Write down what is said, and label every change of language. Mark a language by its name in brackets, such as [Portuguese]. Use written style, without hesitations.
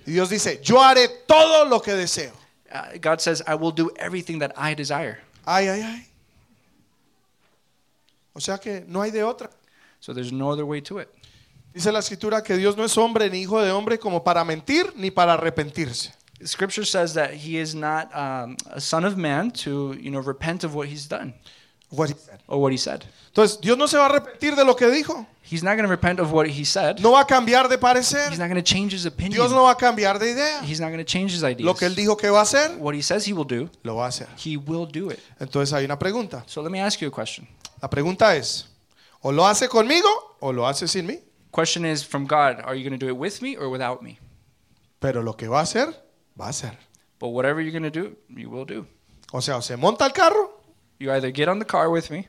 [Spanish] Y Dios dice, yo haré todo lo que deseo. [English] God says, I will do everything that I desire. Ay, ay, ay. [Spanish] O sea que no hay de otra. [English] So there's no other way to it. [Spanish] Dice la escritura que Dios no es hombre ni hijo de hombre como para mentir ni para arrepentirse. [English] Scripture says that he is not a son of man to, you know, repent of what he's done. What he said. Or what he said. [Spanish] Entonces, Dios no se va a arrepentir de lo que dijo. [English] He's not going to repent of what he said. [Spanish] No va a cambiar de parecer. [English] He's not going to change his opinion. [Spanish] Dios no va a cambiar de idea. [English] He's not going to change his ideas. [Spanish] Lo que él dijo que va a hacer, [English] what he says he will do, [Spanish] lo va a hacer. [English] He will do it. [Spanish] Entonces, hay una pregunta. [English] So let me ask you a question. [Spanish] La pregunta es, ¿o lo hace conmigo o lo hace sin mí? [English] Question is from God, are you going to do it with me or without me? [Spanish] Pero lo que va a hacer, va a ser. [English] But whatever you're going to do, you will do. [Spanish] O sea, o se monta el carro. [English] You either get on the car with me.